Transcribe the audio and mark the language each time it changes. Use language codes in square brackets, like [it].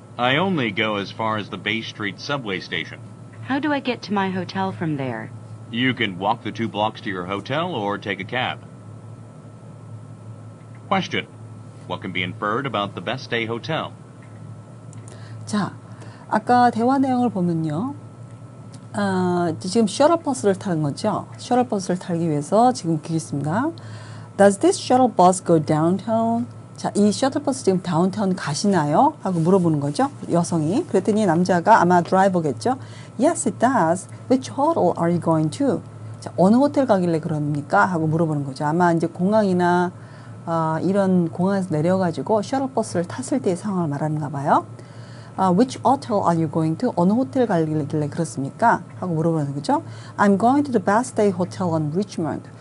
[en] I only go as far as the Bay Street subway station. How do I get to my hotel from there? You can walk the two blocks to your hotel or take a cab. Question. What can be inferred about the Best Day Hotel? [ko] 자, 아까 대화 내용을 보면요. 아, 지금 셔틀버스를 타는 거죠. 셔틀버스를 타기 위해서 지금 기겠습니다. [en] Does this shuttle bus go downtown? [ko] 자, 이 셔틀버스 지금 다운타운 가시나요? 하고 물어보는 거죠. 여성이. 그랬더니 남자가 아마 드라이버겠죠. [en] Yes, it does. Which hotel are you going to? [ko] 자, 어느 호텔 가길래 그럽니까? 하고 물어보는 거죠. 아마 이제 공항이나 이런 공항에서 내려가지고 셔틀버스를 탔을 때의 상황을 말하는가 봐요. [en] Which hotel are you going to? [ko] 어느 호텔 가길래 그렇습니까? 하고 물어보는 거죠. [en] I'm going to the Best Day Hotel on Richmond.